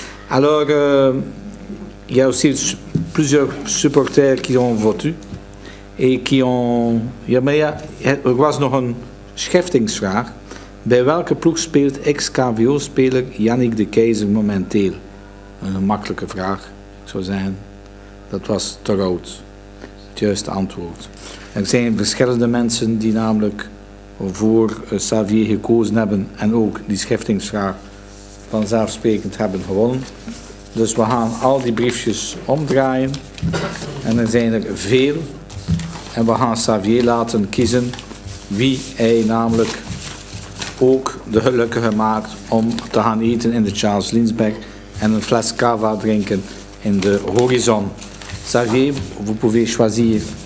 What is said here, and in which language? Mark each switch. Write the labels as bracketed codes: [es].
[fr] Alors, il y a aussi plusieurs supporters qui ont voté. Et qui ont. [nl] Ja, maar ja, er was nog een scheftingsvraag. Bij welke ploeg speelt ex-KVO-speler Yannick de Keizer momenteel? Een makkelijke vraag zou zijn. Dat was te rood. Het juiste antwoord. Er zijn verschillende mensen die namelijk voor Xavier gekozen hebben en ook die scheftingsvraag vanzelfsprekend hebben gewonnen. Dus we gaan al die briefjes omdraaien. En er zijn er veel. En we gaan Xavier laten kiezen wie hij namelijk ook de gelukkige maakt om te gaan eten in de Charles Lindbergh en een fles cava drinken in de horizon. [fr] Xavier, vous pouvez choisir.